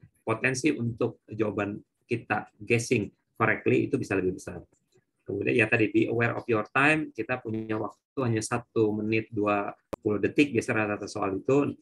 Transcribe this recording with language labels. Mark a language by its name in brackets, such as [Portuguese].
[Indonesian] Potensi untuk jawaban kita [English] guessing correctly [Indonesian] itu bisa lebih besar. Kemudian ya tadi, [English] be aware of your time. [Indonesian] Kita punya waktu hanya 1 menit 20 detik biasanya rata-rata soal itu.